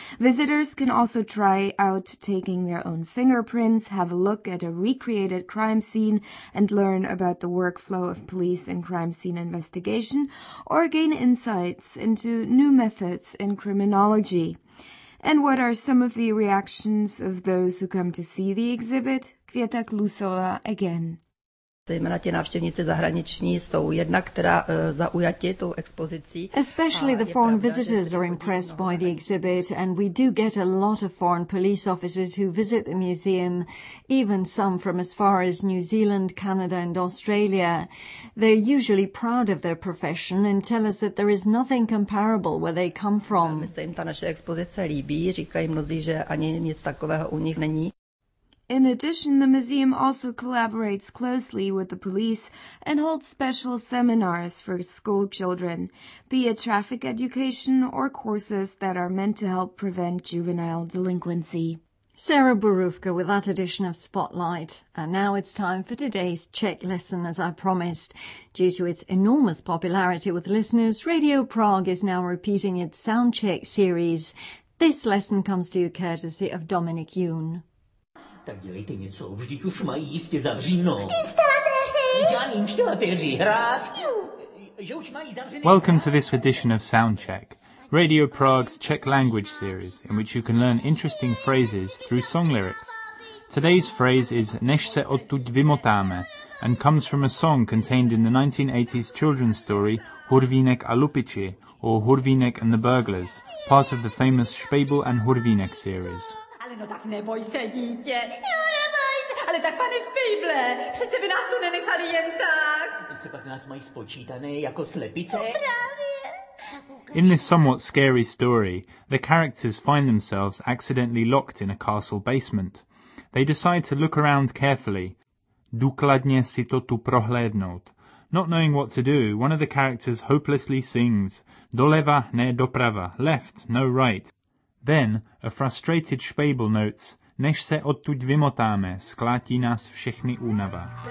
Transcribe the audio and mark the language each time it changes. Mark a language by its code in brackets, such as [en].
[en] Visitors can also try out taking their own fingerprints, have a look at a recreated crime scene, and learn about the workflow of police and crime scene investigation, or gain insights into new methods in criminology. And what are some of the reactions of those who come to see the exhibit? Květa Klusová again. [cs] Zejména ti návštěvníci zahraniční jsou jedna, která zaujatí tou expozicí. [en] Especially the foreign visitors are impressed by the exhibit, and we do get a lot of foreign police officers who visit the museum, even some from as far as New Zealand, Canada and Australia. They're usually proud of their profession and tell us that there is nothing comparable where they come from. [cs] My se jim ta naše expozice líbí, říkají mnozí, že ani nic takového u nich není. [en] In addition, the museum also collaborates closely with the police and holds special seminars for school children, be it traffic education or courses that are meant to help prevent juvenile delinquency. Sarah Borůvka with that edition of Spotlight. And now it's time for today's Czech lesson, as I promised. Due to its enormous popularity with listeners, Radio Prague is now repeating its Soundcheck series. This lesson comes to you courtesy of Dominic Yoon. [cs] Tak dělejte něco, vždyť už mají jistě zavřeno. Instalatéři! Žádný instalatéři hrát! Že už mají zavřené... [en] Welcome to this edition of Soundcheck, Radio Prague's Czech language series, in which you can learn interesting phrases through song lyrics. Today's phrase is [cs] Než se odtud vymotáme, [en] and comes from a song contained in the 1980s children's story Hurvínek a Lupiči, or Hurvínek and the Burglars, part of the famous Špejbl and Hurvínek series. [cs] No tak neboj se, dítě. Jo, neboj se. Ale tak, pane Spejble, přece by nás tu nenechali jen tak. Se pak nás mají spočítané jako slepice. No, právě. [en] In this somewhat scary story, the characters find themselves accidentally locked in a castle basement. They decide to look around carefully. [cs] Důkladně si to tu prohlédnout. [en] Not knowing what to do, one of the characters hopelessly sings. [cs] Doleva, ne doprava. [en] Left, no right. Then, a frustrated Špejbl notes, [cs] Než se odtud vymotáme, sklátí nás všechny únava.